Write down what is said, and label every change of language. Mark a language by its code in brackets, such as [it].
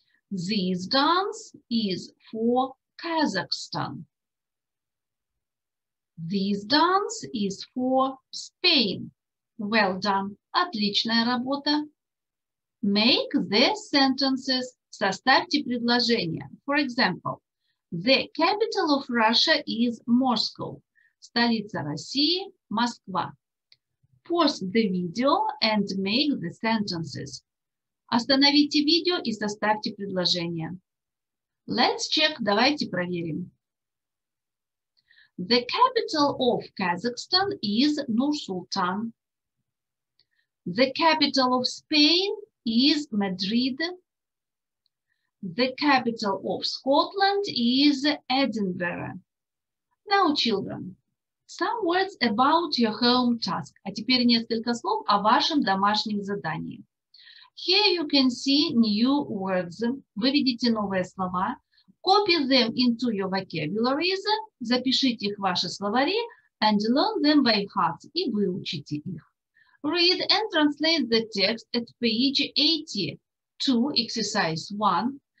[en] This dance is for Kazakhstan. This dance is for Spain. Well done. [ru] Отличная работа. [en] Make the sentences. [ru] Составьте предложение. [en] For example, the capital of Russia is Moscow. [ru] Столица России – Москва. [en] Pause the video and make the sentences. [ru] Остановите видео и составьте предложение. [en] Let's check. [ru] Давайте проверим. [en] The capital of Kazakhstan is Nur-Sultan. The capital of Spain is Madrid. The capital of Scotland is Edinburgh. Now, children, some words about your home task. [ru] А теперь несколько слов о вашем домашнем задании. [en] Here you can see new words. [ru] Вы видите новые слова. [en] Copy them into your vocabularies. [ru] Запишите их в ваши словари. [en] And learn them by heart. [ru] И выучите их. [en] Read and translate the text at page 82, exercise 1.